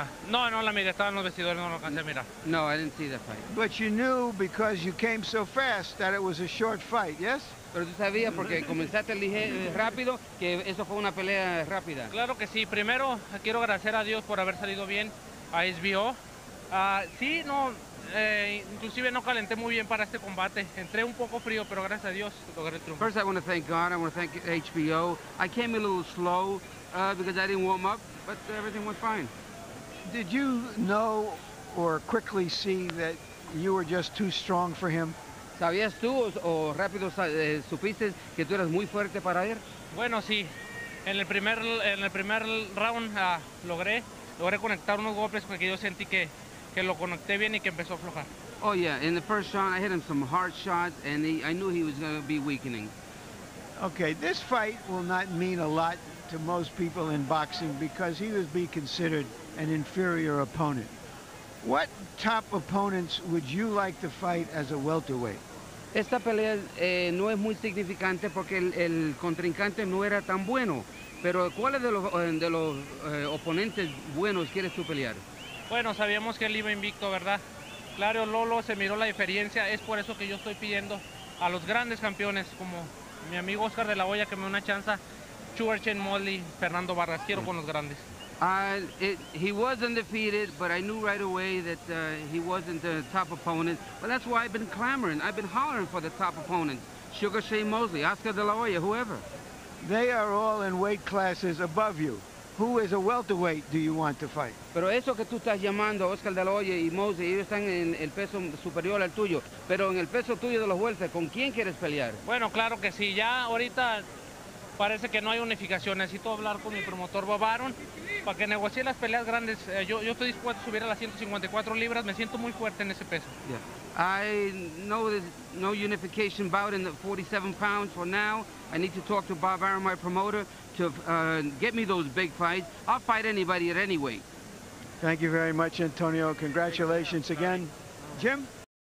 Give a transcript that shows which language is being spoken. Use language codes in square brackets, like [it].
[es] No, no, la mira, estaba en los vestidores, no lo alcancé a mirar. [en] No, I didn't see the fight. But you knew because you came so fast that it was a short fight, yes? [es] Pero tú sabías porque comenzaste rápido que eso fue una pelea rápida. Claro que sí. Primero, quiero agradecer a Dios por haber salido bien a SBO. Sí, no, inclusive no calenté muy bien para este combate. Entré un poco frío, pero gracias a Dios logré el triunfo. [en] First, I want to thank God. I want to thank HBO. I came a little slow because I didn't warm up, but everything went fine. Did you know or quickly see that you were just too strong for him? [es] ¿Sabías tú o rápido supiste que tú eras muy fuerte para él? Bueno, sí. En el primer round logré conectar unos golpes porque yo sentí que lo conecté bien y que empezó a aflojar. [en] Oh, yeah. In the first round, I hit him some hard shots, and I knew he was going to be weakening. Okay, this fight will not mean a lot to most people in boxing because he would be considered an inferior opponent. What top opponents would you like to fight as a welterweight? [es] Esta pelea no es muy significante porque el contrincante no era tan bueno. Pero ¿cuáles de los oponentes buenos quieres tú pelear? Bueno, sabíamos que él iba invicto, ¿verdad? Claro, Lolo se miró la diferencia. Es por eso que yo estoy pidiendo a los grandes campeones como mi amigo Oscar de la Hoya que me dé una chance. Chuberchen, Mosley, Fernando Barras. Quiero con los grandes. [en] He was undefeated, but I knew right away that he wasn't the top opponent. But that's why I've been clamoring. I've been hollering for the top opponents. Sugar Shane Mosley, Oscar De La Hoya, whoever. They are all in weight classes above you. Who is a welterweight do you want to fight? [es] Pero eso que tú estás llamando, Oscar De La Hoya y Mosley, ellos están en el peso superior al tuyo. Pero en el peso tuyo de los welter, ¿con quién quieres pelear? Bueno, claro que sí. Ya ahorita parece que no hay unificación. Necesito hablar con mi promotor Bob Arum para que negocie las peleas grandes. Yo estoy dispuesto a subir a las 154 libras. Me siento muy fuerte en ese peso. [en] Yeah. I know there's no unification bout in the 47 pounds for now. I need to talk to Bob Arum, my promoter, to get me those big fights. I'll fight anybody at any weight. Thank you very much, Antonio. Congratulations again. Jim?